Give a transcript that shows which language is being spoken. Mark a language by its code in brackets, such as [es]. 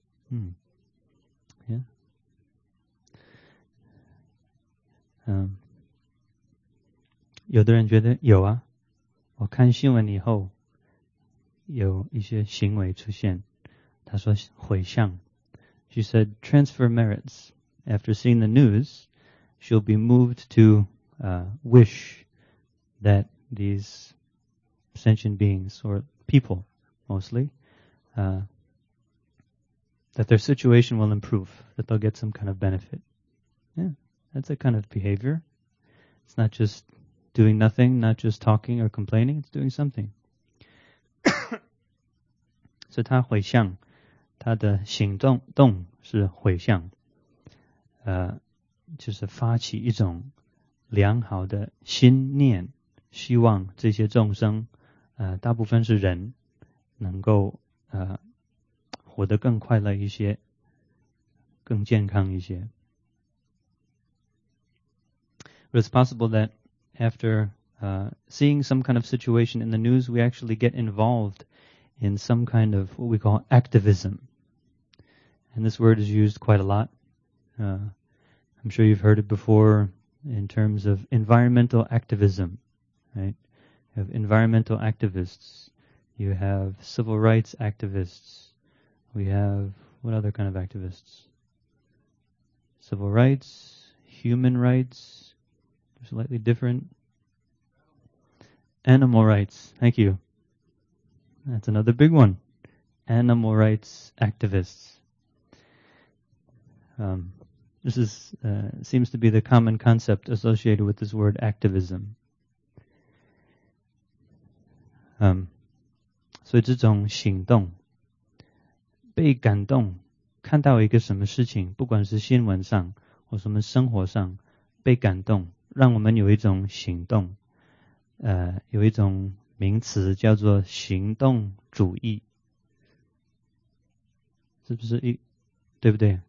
[zh] Yeah. 有的人觉得有啊，我看新闻以后有一些行为出现，他说回向。 [en] She said transfer merits. After seeing the news, she'll be moved to wish that these sentient beings, or people mostly, that their situation will improve, that they'll get some kind of benefit. Yeah, that's a kind of behavior. It's not just doing nothing, not just talking or complaining, it's doing something. [zh] 所以他回向，他的行动是回向，就是发起一种良好的心念，希望这些众生，大部分是人，能够活得更快乐一些，更健康一些。 [en] It's possible that after seeing some kind of situation in the news, we actually get involvedin some kind of what we call activism. And this word is used quite a lot. I'm sure you've heard it before in terms of environmental activism, right? You have environmental activists. You have civil rights activists. We have, what other kind of activists? Civil rights, human rights, slightly different. Animal rights, thank you. That's another big one. Animal rights activists. This is, seems to be the common concept associated with this word activism. [zh] 所以这种行动，被感动，看到一个什么事情，不管是新闻上或什么生活上，被感动，让我们有一种行动，有一种名词叫做行动主义，是不是对不对？